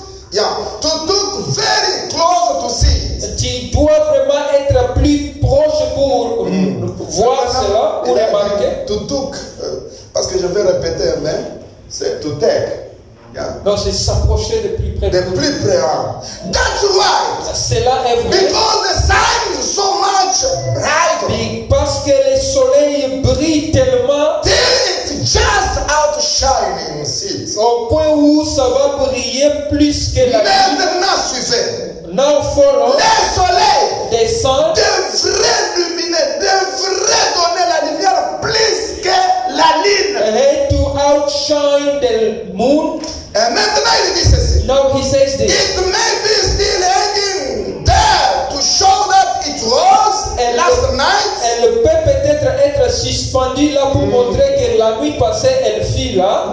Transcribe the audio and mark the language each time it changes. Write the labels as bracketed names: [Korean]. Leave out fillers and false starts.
[English] You have to look very close to see. [French] Tu dois vraiment être plus proche pour voir cela, pour remarquer. Tutuk, parce que je vais répéter, mais c'est tutek. Yeah. Non, c'est s'approcher de plus près. De plus près. Hein. [English] That's why. [French] Cela est vrai. [English] Because the sun is so much bright. [French] Parce que le soleil brille tellement. [English] Till it just outshines it. [French] Au point où ça va briller plus que la lune. Maintenant, suivez. [English] Now follow. [French] Le soleil descend. Devrait illuminer, devrait donner la lumière plus que la lune. [English] Hey, to outshine the moon. [French] Et maintenant il dit ceci. [English] Now he says this. It may be still hanging there to show that it was [French] elle [English] last night. [French] Elle peut peut-être être suspendue là pour montrer que la nuit passée elle fit là.